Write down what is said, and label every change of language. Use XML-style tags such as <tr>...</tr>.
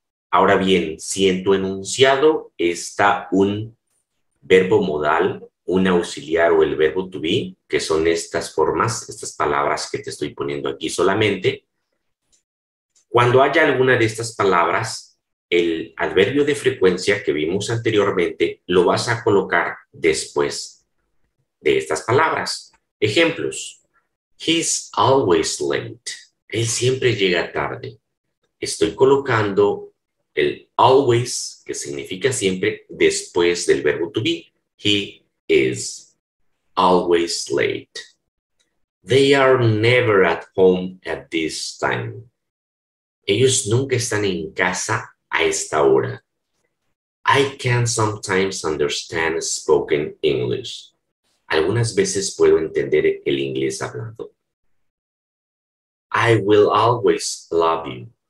<es>Ahora bien, si en tu enunciado está un verbo modal, un auxiliar o el verbo to be, que son estas formas, estas palabras que te estoy poniendo aquí solamente, cuando haya alguna de estas palabras, el adverbio de frecuencia que vimos anteriormente lo vas a colocar después de estas palabras. Ejemplos.</es> <en>He's always late.</en> <es>Él siempre llega tarde. Estoy colocando El always, que significa siempre después del verbo to be.</es> <en>He is always late. They are never at home at this time.</en> <es>Ellos nunca están en casa a esta hora.</es> <en>I can sometimes understand spoken English.</en> <es>Algunas veces puedo entender el inglés hablado.</es> <en>I will always love you.</en>